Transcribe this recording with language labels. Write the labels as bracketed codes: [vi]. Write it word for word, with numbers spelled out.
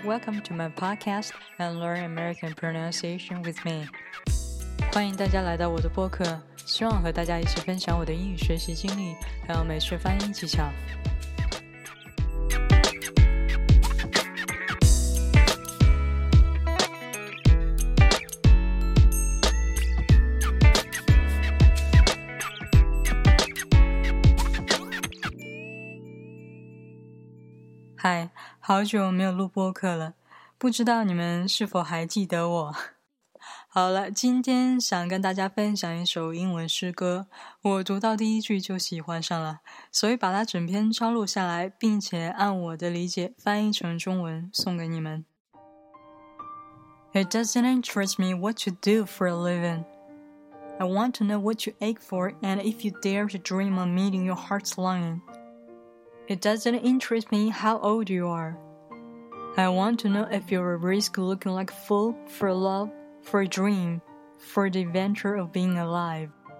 [en] Welcome to my podcast and learn American pronunciation with me. [zh] 欢迎大家来到我的播客，希望和大家一起分享我的英语学习经历，还有美式发音技巧。嗨，好久没有录播客了，不知道你们是否还记得我。好了，今天想跟大家分享一首英文诗歌，我读到第一句就喜欢上了，所以把它整篇抄录下来，并且按我的理解翻译成中文送给你们。 [en] It doesn't interest me what you do for a living. I want to know what you ache for and if you dare to dream of meeting your heart's longing. It doesn't interest me how old you are. I want to know if you'll risk looking like a fool for love, for a dream, for the adventure of being alive.